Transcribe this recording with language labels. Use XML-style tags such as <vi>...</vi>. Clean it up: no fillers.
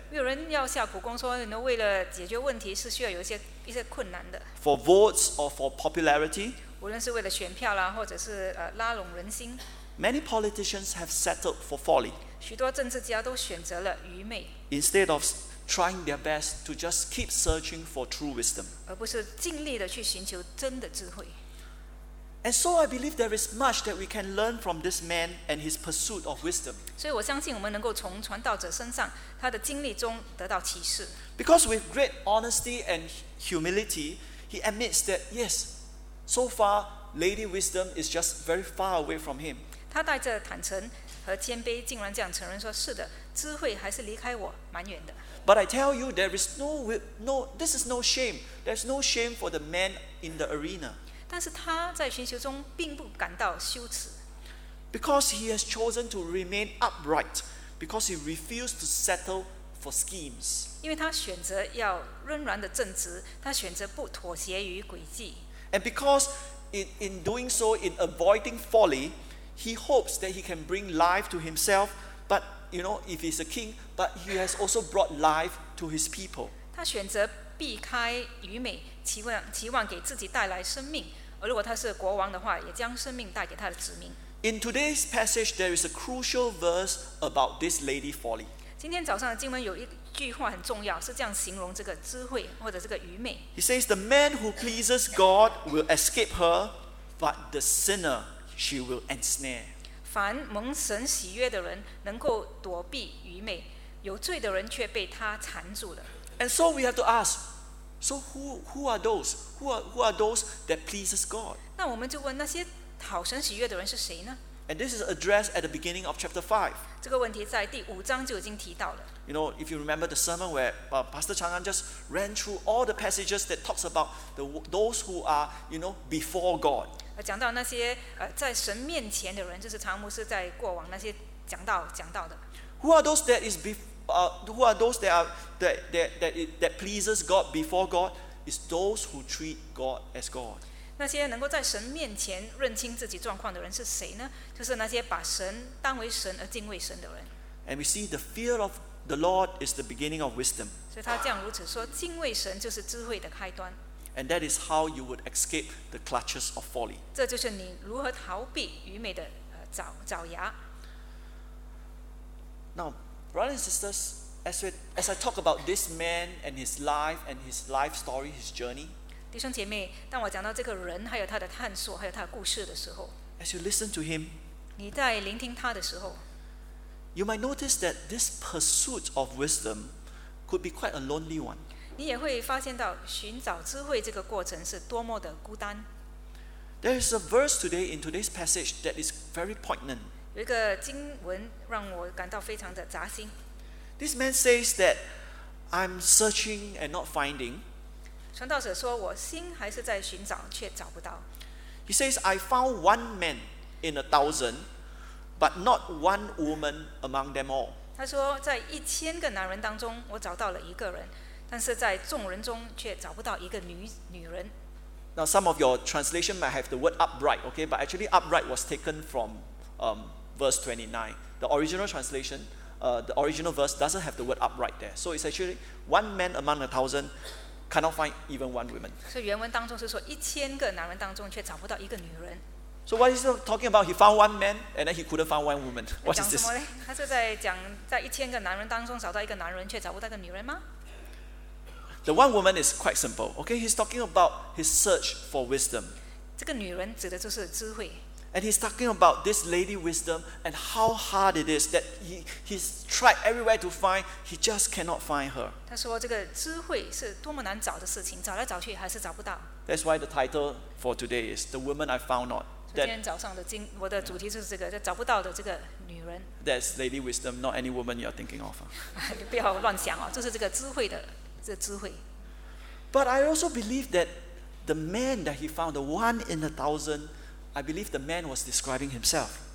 <zh>没有人要下苦功说，你能为了解决问题是需要有一些困难的。</zh> <en>For votes or for popularity,</en> <zh>无论是为了选票啦，或者是拉拢人心。</zh> <en>Many politicians have settled for folly.</en> <zh>许多政治家都选择了愚昧。</zh> <en>Instead of trying their best to just keep searching for true wisdom,</en> <zh>而不是尽力的去寻求真的智慧。</zh> <en>And so I believe there is much that we can learn from this man and his pursuit of wisdom.</en> <zh>所以我相信我们能够从传道者身上他的经历中得到启示。</zh> <en>Because with great honesty and humility, he admits that yes, so far Lady Wisdom is just very far away from him.</en> <zh>他带着坦诚和谦卑，竟然这样承认说：“是的，智慧还是离开我蛮远的。”</zh> <en>But I tell you, there is no, this is no shame. There's no shame for the man in the arena.</en> <zh>但是他在寻求中并不感到羞耻。</zh> <en>Because he has chosen to remain upright, because he refused to settle for schemes.</en> <zh>因为他选择要仍然的正直，他选择不妥协于诡计。</zh> <en>And because in doing so, in avoiding folly, he hopes that he can bring life to himself, but you know, if he's a king, but he has also brought life to his people.</en> <zh>他选择避开愚昧，期望给自己带来生命，而如果他是国王的话，也将生命带给他的子民。</zh> <en>In today's passage, there is a crucial verse about this lady folly.</en> <zh>今天早上的经文有一句话很重要，是这样形容这个智慧或者这个愚昧。</zh> <en>He says, "The man who pleases God will escape her, but the sinner she will ensnare."</en> <zh>凡蒙神喜悦的人能够躲避愚昧，有罪的人却被他缠住了。</zh> <en>And so we have to ask, so who are those? Who are those that pleases God?</en> <zh>那我们就问那些讨神喜悦的人是谁呢？</zh> <en>And this is addressed at the beginning of chapter 5.</en> <zh>这个问题在第五章就已经提到了。</zh> <en>You know, if you remember the sermon where Pastor Chang'an just ran through all the passages that talks about those who are, you know, before God.</en> <zh>讲到那些在神面前的人，就是常牧师在过往那些讲到的。</zh> <en>Who are those that is before? Who are those that are that pleases God before God? Is those who treat God as God.</en> <zh>那些能够在神面前认清自己状况的人是谁呢？就是那些把神当为神而敬畏神的人。</zh> <en>And we see the fear of the Lord is the beginning of wisdom.</en> <zh>所以他这样如此说，敬畏神就是智慧的开端。</zh> <en>And that is how you would escape the clutches of folly.</en> <zh>这就是你如何逃避愚昧的爪牙。</zh> <en>Now, brothers and sisters, as I talk about this man and his life and his life story, his journey,</en> <zh>弟兄姐妹，当我讲到这个人还有他的探索还有他的故事的时候，</zh> <en>as you listen to him,</en> <zh>你在聆听他的时候，</zh> <en>you might notice that this pursuit of wisdom could be quite a lonely one.</en> <zh>你也会发现到寻找智慧这个过程是多么的孤单。</zh> <en>There is a verse today in today's passage that is very poignant.</en> <zh>有一个经文让我感到非常的扎心。</zh> <en>This man says that I'm searching and not finding.</en> <zh>传道者说我心还是在寻找却找不到。</zh> <en>He says I found one man in a thousand, but not one woman among them all.</en> <zh>他说在一千个男人当中我找到了一个人，但是在众人中却找不到一个女人。</zh> <en>Now some of your translation might have the word upright, okay? But actually upright was taken from verse 29. The original translation, the original verse doesn't have the word upright there. So it's actually one man among a thousand cannot find even one woman.</en> <zh>So 原文当中是说一千个男人当中却找不到一个女人。</zh> <en>So what is he talking about? He found one man and then he couldn't find one woman. What is this?</en> <zh>他是在讲在一千个男人当中找到一个男人却找不到一个女人吗？</zh> <en>The one woman is quite simple. Okay, he's talking about his search for wisdom.</en> <zh>这个女人指的就是智慧。</zh> <en>And he's talking about this lady wisdom and how hard it is that he's tried everywhere to find, he just cannot find her.</en> <zh>他说这个智慧是多么难找的事情，找来找去还是找不到。</zh> <en>That's why the title for today is The Woman I Found Not.</en> <zh>今天早上的经，我的主题就是这个，找不到的这个女人。</zh> <en>That's lady wisdom, not any woman you're thinking of.</en> <zh>不要乱想哦，就是这个智慧的，这智慧。</zh> <en>But I also believe that the man that he found, the one in a thousand,I believe the man was describing himself.</en>